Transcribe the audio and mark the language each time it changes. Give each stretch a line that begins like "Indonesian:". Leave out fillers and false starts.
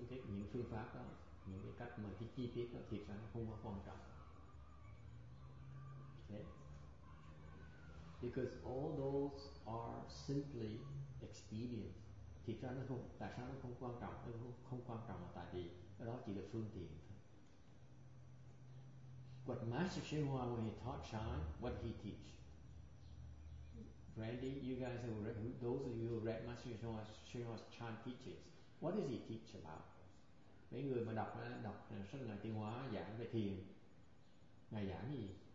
Vietnamese: Những phương pháp đó, những cái cách mà cái chi tiết đó thì ra không có quan trọng.
English: Okay. Because all those are simply expedient.
Vietnamese: Thì ra nó không, tại sao nó không quan trọng? Nó không quan trọng là tại vì đó chỉ là phương tiện thôi.
English: What Master Shen Hua, when he taught Chan, what he teach? Randy, you guys have read, those of you who read Master Shen Hua's Chan teachings, what does he teach about?
Vietnamese: Mấy người mà đọc sách Ngài Tiên Hóa giảng về thiền, Ngài giảng gì?